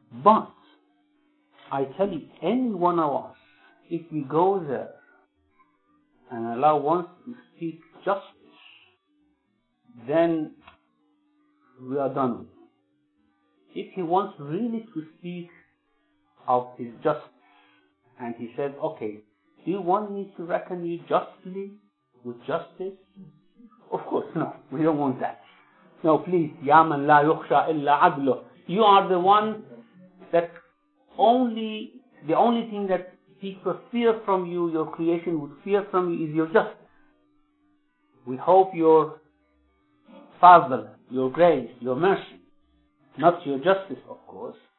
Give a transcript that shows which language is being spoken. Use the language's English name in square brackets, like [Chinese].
[English] But I tell you, any one of us, if we go there and Allah wants to seek justice, then we are done. If He wants really to speak of His justice, and he said, okay, do you want me to reckon you justly, with justice? Of course, no, we don't want that. No, please, [Arabic] يَا مَنْ لَا يُخْشَى إِلَّا عَدْلُهُ. [English] You are the one that only, the only thing that people fear from you, your creation would fear from you, is your justice. We hope your favor, your grace, your mercy, not your justice, of course.